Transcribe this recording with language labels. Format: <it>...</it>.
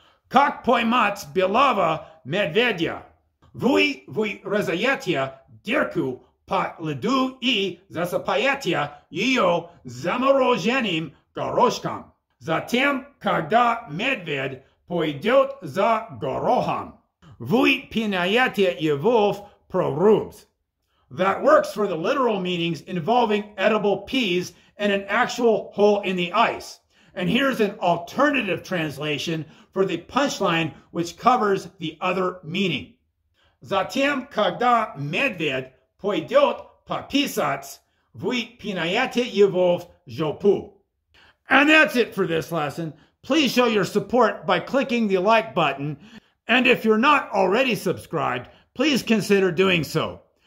<ru>Как поймать белого медведя? Вы вы разъедете дырку по льду и засыпаете ее замороженным горошком. Затем, когда медведь пойдет за горохом, вы пинаете его в прорубь.</ru> <en>That works for the literal meanings involving edible peas and an actual hole in the ice. And here's an alternative translation for the punchline, which covers the other meaning.</en> <ru>Затем, когда медведь пойдет по писать, вы пинаете его в жопу.</ru> <en>And that's it for this lesson. Please show your support by clicking the like button. And if you're not already subscribed, please consider doing so.</en>